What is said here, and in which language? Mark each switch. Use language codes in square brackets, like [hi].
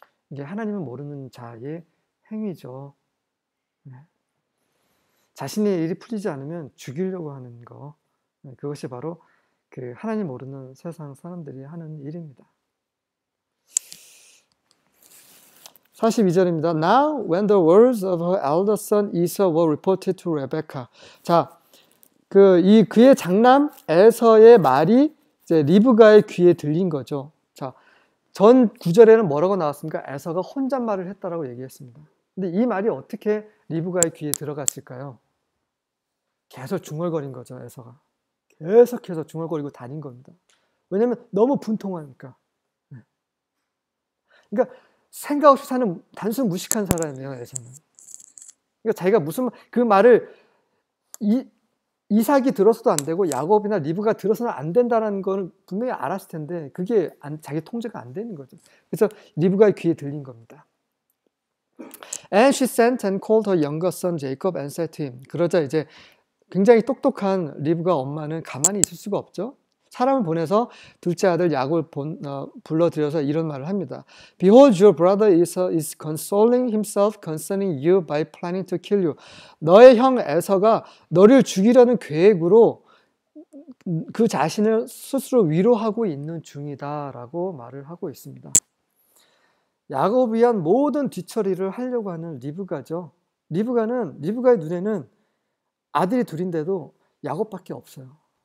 [ko] 이게 하나님을 모르는 자의 행위죠. 네. 자신의 일이 풀리지 않으면 죽이려고 하는 거. 네, 그것이 바로 그 하나님 모르는 세상 사람들이 하는 일입니다. 42절입니다. [en] Now when the words of her elder son Esau were reported to Rebecca. [ko] 자, 그의 장남 에서의 말이 이제 리브가의 귀에 들린 거죠. 자, 전 구절에는 뭐라고 나왔습니까? 에서가 혼잣말을 했다라고 얘기했습니다. 근데 이 말이 어떻게 리브가의 귀에 들어갔을까요? 계속 중얼거린 거죠, 에서가. 계속해서 중얼거리고 다닌 겁니다. 왜냐면 너무 분통하니까. 그러니까 생각 없이 사는 단순 무식한 사람이에요, 에서는. 그러니까 자기가 무슨 그 말을 이삭이 들어서도 안 되고 야곱이나 리브가 들어서는 안 된다는 거는 분명히 알았을 텐데 그게 자기 통제가 안 되는 거죠. 그래서 리브가의 귀에 들린 겁니다. [en] And she sent and called her younger son Jacob and said to him. [ko] 그러자 이제 굉장히 똑똑한 리브가 엄마는 가만히 있을 수가 없죠. 사람을 보내서 둘째 아들 야곱을 불러들여서 이런 말을 합니다. [en] Behold, your brother is consoling himself concerning you by planning to kill you. [ko] 너의 형 에서가 너를 죽이려는 계획으로 그 자신을 스스로 위로하고 있는 중이다 라고 말을 하고 있습니다. 야곱을 위한 모든 뒤처리를 하려고 하는 리브가죠. 리브가의 눈에는 아들이 둘인데도 야곱밖에 없어요.